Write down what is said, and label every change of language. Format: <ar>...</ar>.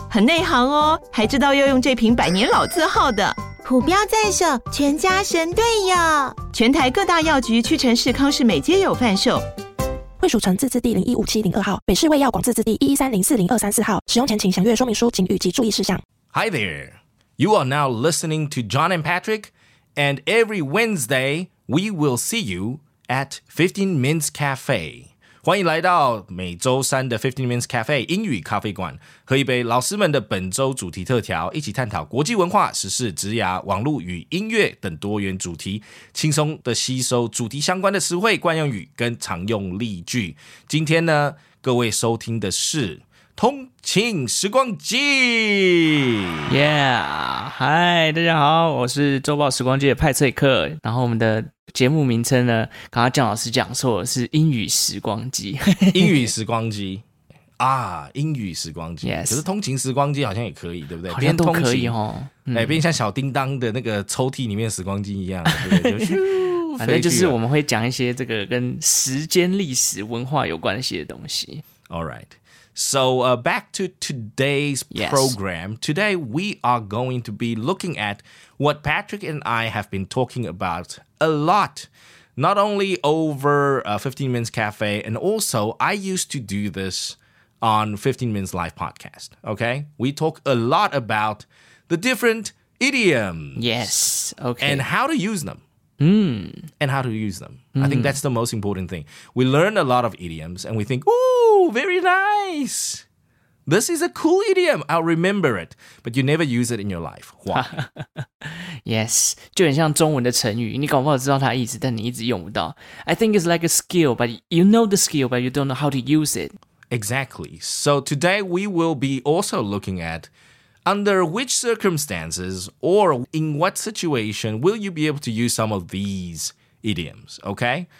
<zh>很内行哦，还知道要用这瓶百年老字号的。虎标在手，全家神队友。全台各大药局、屈臣氏、康氏美皆有贩售。卫蜀成字字第015702号，北市卫药广字字第113040234号。使用前请详阅说明书、警语及注意事项。</zh> <en>Hi there, you are now listening to John and Patrick, and every Wednesday we will see you at 15 Minutes Cafe.</en> <zh>欢迎来到每周三的 15 Minutes Cafe 英语咖啡馆，喝一杯老师们的本周主题特调，一起探讨国际文化、时事、职涯、网络与音乐等多元主题，轻松的吸收主题相关的词汇、惯用语跟常用例句。今天呢，各位收听的是《通勤时光机》。 Yeah, Hi, 大家好，我是周报时光机的派翠克，然后我们的节目名称呢，刚刚姜老师讲错了，是英语时光机。英语时光机啊，英语时光机、</zh> <en>yes.</en> <zh>可是通勤时光机好像也可以，对不对？好像都可以哦。哎，变像小叮当的那个抽屉里面时光机一样，对不对？反正就是我们会讲一些这个跟时间、历史、文化有关系的东西。</zh> <en>Alright, so back to today's program、 yes. Today we are going to be looking at what Patrick and I have been talking aboutA lot, not only over 15 Minutes Cafe, and also I used to do this on 15 Minutes Live Podcast, okay? We talk a lot about the different idioms. Yes, okay. And how to use them. Mm. And how to use them. Mm. I think that's the most important thing. We learn a lot of idioms, and we think, ooh, very nice. This is a cool idiom. I'll remember it. But you never use it in your life. Why?</en> <zh>Yes, 就很像中文的成语，你搞不好知道它的意思，但你一直用不到。</zh> <en>I think it's like a skill, but you know the skill, but you don't know how to use it. Exactly. So today we will be also looking at under which circumstances or in what situation will you be able to use some of these idioms, okay?</en>